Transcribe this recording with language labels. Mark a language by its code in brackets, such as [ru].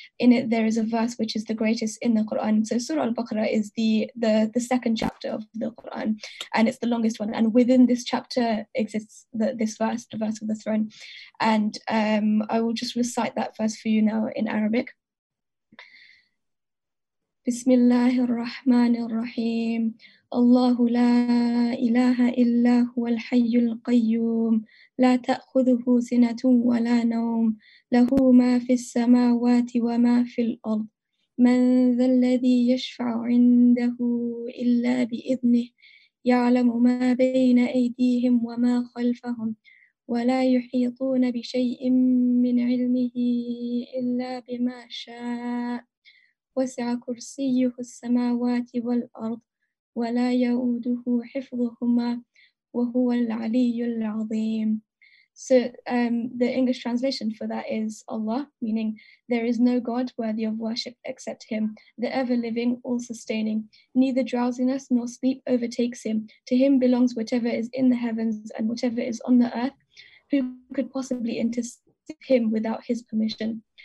[en] In it, there is a verse which is the greatest in the Quran. So Surah Al-Baqarah is the second chapter of the Quran, and it's the longest one. And within this chapter exists this verse, the verse of the throne. And I will just recite that verse for you now in Arabic. [ar] بسم الله الرحمن الرحيم الله لا إله إلا هو الحي القيوم لا تأخذه سنة ولا نوم له ما في السماوات وما في الأرض من ذا الذي يشفع عنده إلا بإذنه يعلم ما بين أيديهم وما خلفهم ولا يحيطون بشيء من علمه إلا بما شاء وسع كرسيه السماوات والأرض ولا يؤوده حفظهما وهو العلي العظيم. [en] So the English translation for that is Allah, meaning there is no God worthy of worship except him, the ever-living, all-sustaining. Neither drowsiness nor sleep overtakes him. To him belongs whatever is in the heavens and whatever is on the earth. Who could possibly intercept him without his permission?